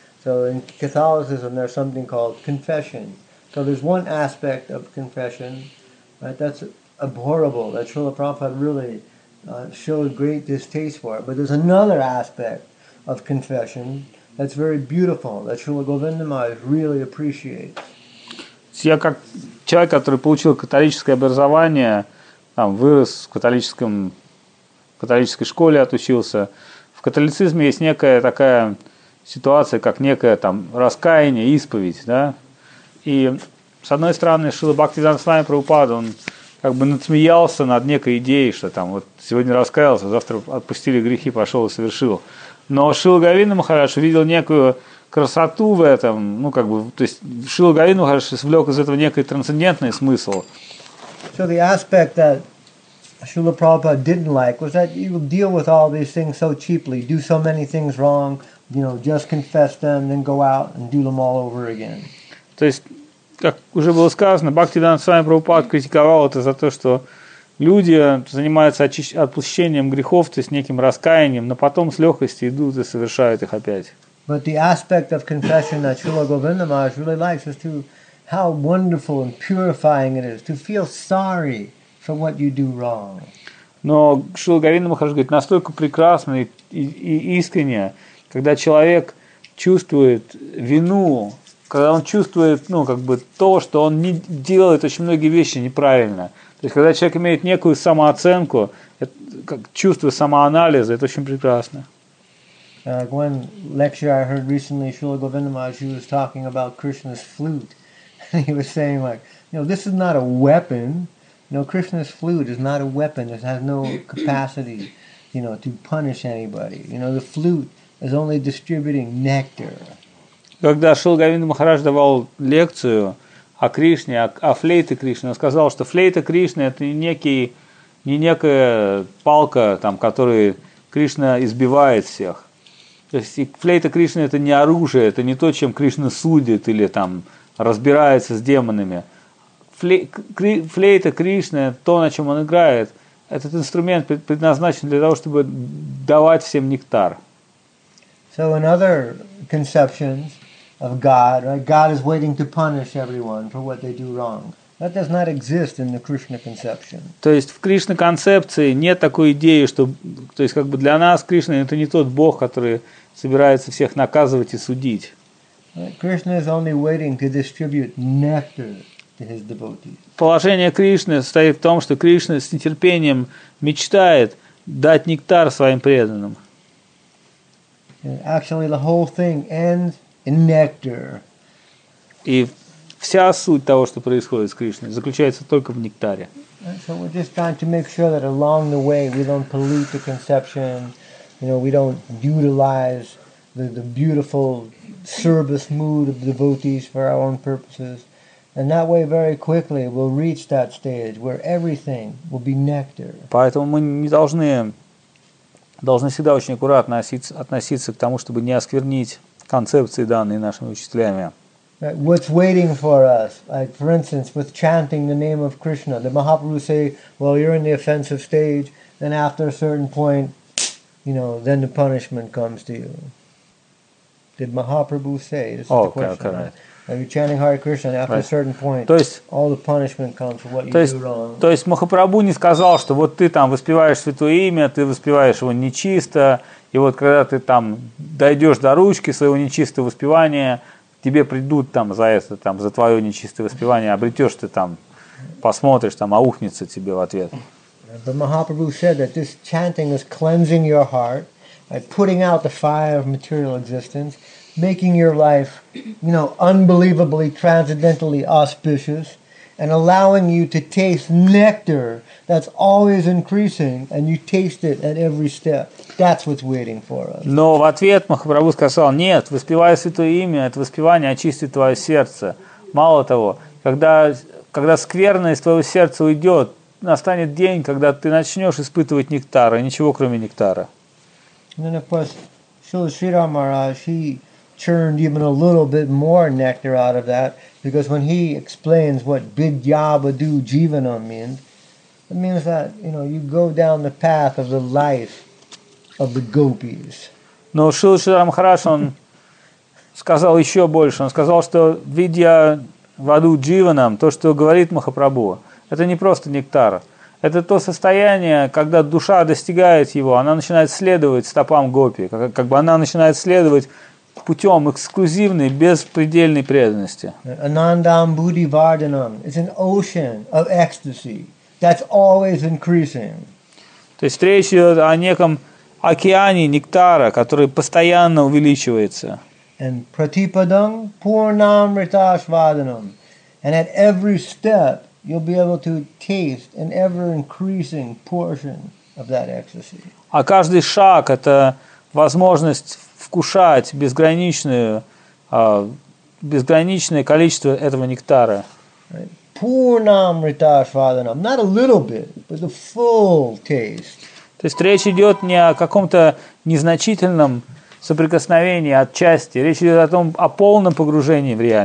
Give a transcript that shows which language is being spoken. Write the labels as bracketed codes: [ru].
[en] So in Catholicism, there's something called confession. So there's one aspect of confession, right, that's abhorrible, that Srila Prabhupada really showed great distaste for it. But there's another aspect of confession that's very beautiful, that Srila Govinda Maharaj really appreciates. [ru] Я как человек, который получил католическое образование, там, вырос в католическом, в католической школе, отучился, в католицизме есть некая такая ситуация, как некое там раскаяние, исповедь, да? И с одной стороны, Шрила Бхактивинода Свами Прабхупада, он как бы надсмеялся над некой идеей, что там вот сегодня раскаялся, завтра отпустили грехи, пошел и совершил. Но Шрила Говинда Махарадж увидел некую красоту в этом, ну как бы, то есть Шрила Говинда Махарадж извлек из этого некий трансцендентный смысл. [en] So the aspect that Srila Prabhupada didn't like was that you deal with all these things so cheaply, do so many things wrong, you know, just confess them, then go out and do them all over again. [ru] То есть, как уже было сказано, Бхактивинода Свами Прабхупад критиковал это за то, что люди занимаются отпущением грехов, то есть неким раскаянием, но потом с легкостью идут и совершают их опять. [en] But the aspect of confession that Srila Govinda Maharaj really likes is to how wonderful and purifying it is to feel sorry for what you do wrong. [ru] Но Шрила Говинда Махарадж говорит, настолько прекрасно и искренне, когда человек чувствует вину, когда он чувствует, ну, как бы то, что он не делает очень многие вещи неправильно. То есть, когда человек имеет некую самооценку, как чувство самоанализа, это очень прекрасно. [en] One lecture I heard recently, Srila Govinda Maharaj, he was talking about Krishna's flute. He was saying, like, you know, this is not a weapon. You know, Krishna's flute is not a weapon. It has no capacity, you know, to punish anybody. You know, the flute is only distributing nectar. [ru] Когда Шрила Говинда Махарадж давал лекцию о Кришне, о флейте Кришны, он сказал, что флейта Кришны – это не некая палка, там, которой Кришна избивает всех. То есть флейта Кришны – это не оружие, это не то, чем Кришна судит или там разбирается с демонами. Флейта Кришны, то, на чем он играет, этот инструмент предназначен для того, чтобы давать всем нектар. [en] So in other conceptions of God, right? God is waiting to punish everyone for what they do wrong. That does not exist in the Krishna conception. [ru] То есть в Кришна концепции нет такой идеи, что, то есть как бы для нас Кришна это не тот Бог, который собирается всех наказывать и судить. [en] Krishna is only waiting to distribute nectar to his devotees. [ru] Положение Кришны состоит в том, что Кришна с нетерпением мечтает дать нектар своим преданным. [en] Actually, the whole thing ends in nectar. [ru] И вся суть того, что происходит с Кришной, заключается только в нектаре. [en] So we're just trying to make sure that along the way we don't pollute the conception, you know, we don't utilize the beautiful service mood of devotees for our own purposes, and that way very quickly we'll reach that stage where everything will be nectar. [ru] Поэтому мы не должны всегда очень аккуратно относиться к тому, чтобы не осквернить концепции, данные нашими учителями. [en] What's waiting for us? Like, for instance, with chanting the name of Krishna, the Mahaprabhu say, well, you're in the offensive stage, then after a certain point, you know, then the punishment comes to you. Did Mahaprabhu say? This is the question. Right? Are you chanting Hare Krishna and after a certain point, [ru] то есть, [en] all the punishment comes for what you do wrong? [ru] То есть Махапрабху не сказал, что вот ты там воспеваешь святое имя, ты воспеваешь его нечисто, и вот когда ты там дойдешь до ручки своего нечистого воспевания, тебе придут там за это, там, за твое нечистое воспевание, обретешь ты там, посмотришь там, аухнется тебе в ответ. [en] But Mahaprabhu said that this chanting is cleansing your heart, like putting out the fire of material existence, making your life, you know, unbelievably transcendentally auspicious, and allowing you to taste nectar that's always increasing, and you taste it at every step. That's what's waiting for us. [ru] Но в ответ Махапрабху сказал, нет, воспевая святое имя, это воспевание очистит твое сердце. Мало того, когда скверное из твоего сердца уйдет, настанет день, когда ты начнешь испытывать нектар, и ничего кроме нектара. [en] And then, of course, Srila Sridhar Maharaj, he churned even a little bit more nectar out of that, because when he explains what vidyavadu jivana means, it means that, you know, you go down the path of the life of the gopis. [ru] Но Шрила Шридхара Махарадж, он сказал еще больше. Он сказал, что видья ваду дживанам, то, что говорит Махапрабху, это не просто нектар. Это то состояние, когда душа достигает его, она начинает следовать стопам гопи, как бы она начинает следовать путем эксклюзивной, беспредельной преданности. [sa] Анандам будди варданам. [en] It's an ocean of ecstasy that's always increasing. [ru] То есть речь идет о неком океане нектара, который постоянно увеличивается. [sa] And pratipadam purnam ritasvadanam. [en] And at every step, you'll be able to taste an ever-increasing portion of that ecstasy. [ru] А каждый шаг – это возможность вкушать безграничное количество этого нектара. [sa] Purnam ritasvadanam. [en] Not a little bit, but the full taste. [ru] То есть речь идет не о каком-то незначительном соприкосновении отчасти, речь идет о том, о полном погружении в